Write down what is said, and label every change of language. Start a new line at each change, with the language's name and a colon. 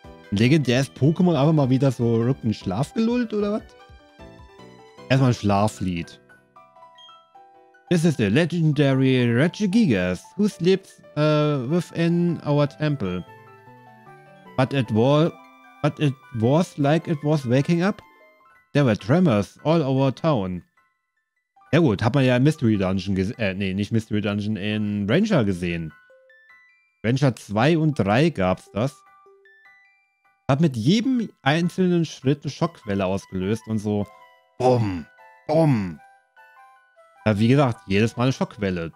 German: Legendäres Pokémon aber mal wieder so rücken schlafgelullt oder was? Erstmal ein Schlaflied.
English: This is the legendary Regigigas, who sleeps within our temple. But it was like it was waking up. There were tremors all over town.
German: Ja gut, hat man ja in Mystery Dungeon gesehen. Nee, nicht Mystery Dungeon, in Ranger gesehen. Ranger 2 und 3 gab's das. Hat mit jedem einzelnen Schritt eine Schockwelle ausgelöst und so. Bumm, bumm. Ja, wie gesagt, jedes Mal eine Schockwelle.